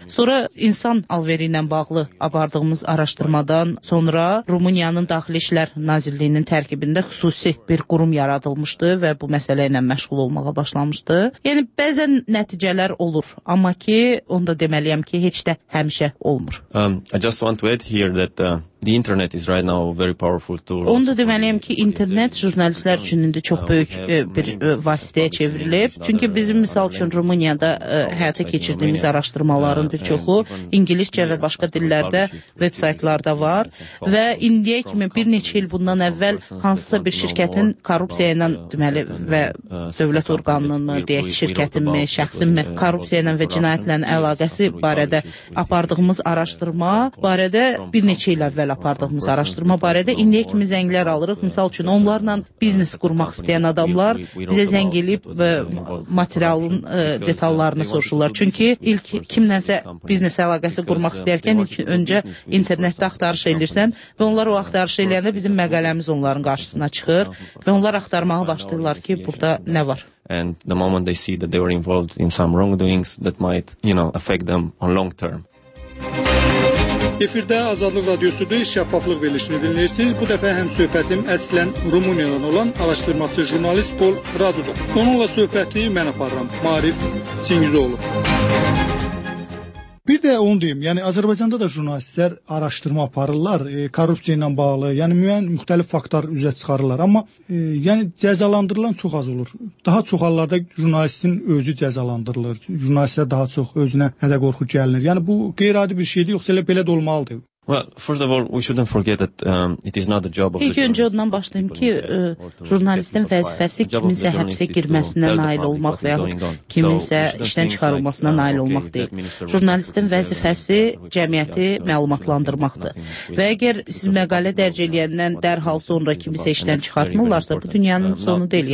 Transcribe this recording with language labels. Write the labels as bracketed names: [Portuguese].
[Azerbaijani] Sonra insan alveri ilə bağlı apardığımız araşdırmadan sonra Rumıniyanın Daxili İşlər Nazirliyinin tərkibində xüsusi bir qurum yaradılmışdı və bu məsələ ilə məşğul olmağa başlamışdı. Yəni bəzən nəticələr olur, amma ki onu da deməliyəm ki heç də həmişə olmur. [English] I just want to add here that the internet is right now a very powerful tool. [Azerbaijani] Onu da deməliyəm ki, internet jurnalistlər üçün indi çox böyük bir vasitəyə çevrilib. Çünki bizim, misal üçün, Rumıniyada həyata keçirdiyimiz araşdırmaların bir çoxu ingiliscə və başqa dillərdə web saytlarda var və indiyə kimi bir neçə il bundan əvvəl hansısa bir şirkətin korrupsiya ilə, deməli, və dövlət orqanının mı, deyək ki, şirkətin mi, şəxsin mi, korrupsiya ilə və cinayətlə əlaqəsi barədə apardığımız araşdırma barədə bir neçə ilə əvvəl apardığımız araşdırma barədə indiyə kimi zənglər alırıq. Misal üçün, onlarla biznes qurmaq istəyən adamlar bizə zəng eləyib və materialın detallarını soruşurlar. Çünki ilk kimləsə biznes əlaqəsi qurmaq istəyərkən ilk öncə internetdə axtarış edirsən və onlar o axtarış edəndə bizim məqaləmiz onların qarşısına çıxır və onlar axtarmağa başlayırlar ki, burada nə var. [English] And the moment they see that they were involved in some wrongdoings that might, you know, affect them on long term. [Azerbaijani] Efirdə Azadlıq Radiosudur, şəffaflıq verilişini dinləyirsiniz. Bu dəfə həm söhbətim əslən Rumıniyadan olan araşdırmaçı jurnalist Pol Radudur. Onunla söhbəti mən aparıram, Marif Çingizoğlu. Bir də onu deyim, yəni Azərbaycanda da jurnalistlər araşdırma aparırlar, korrupsiya ilə bağlı, yəni müəyyən müxtəlif faktlar üzə çıxarırlar, amma yəni cəzalandırılan çox az olur. Daha çox hallarda jurnalistin özü cəzalandırılır, jurnalistə daha çox özünə hədə qorxu gəlinir. Yəni bu qeyri-adi bir şeydir, yoxsa elə belə də olmalıdır. [English] Well, first of all, we shouldn't forget that it is not the job of the journalist. [Azerbaijani] İlk öncə ondan başlayım ki, jurnalistin vəzifəsi kiminsə həbsə girməsinə nail olmaq və yaxud kiminsə işdən çıxarılmasına nail olmaq deyil. Jurnalistin vəzifəsi cəmiyyəti məlumatlandırmaqdır. Və əgər siz məqalə dərc eləyəndən dərhal sonra kiminsə işdən çıxartmırlarsa, bu dünyanın sonu deyil.